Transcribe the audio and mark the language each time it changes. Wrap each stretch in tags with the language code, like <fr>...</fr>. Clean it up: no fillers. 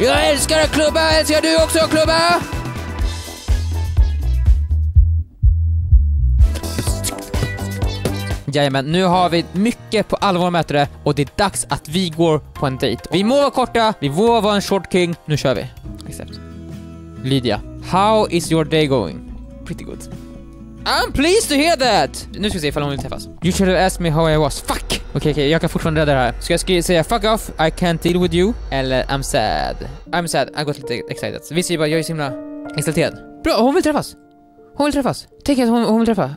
<sv>Jag älskar att klubba, älskar du också att klubba? Jajamän, nu har vi mycket på allvar mätare. Och det är dags att vi går på en dejt. Vi må vara korta, vi må vara en short king. Nu kör vi. Except.</sv> <en>Lydia, how is your day going? Pretty good. I'm pleased to hear that.</en> <sv>Nu ska vi se ifall hon vill träffas.</sv> <en>You should have asked me how I was. Fuck.</en> <sv>Okej, okay, jag kan fortfarande rädda det här. Ska jag säga</sv> <en>fuck off, I can't deal with you.</en> <sv>Eller</sv> <en>I'm sad. I'm sad, I got a little excited.</en> <sv>Vi säger bara, jag är så himla exalterad. Bra, hon vill träffas. Hon vill träffas. Tänk att hon vill träffa.</sv>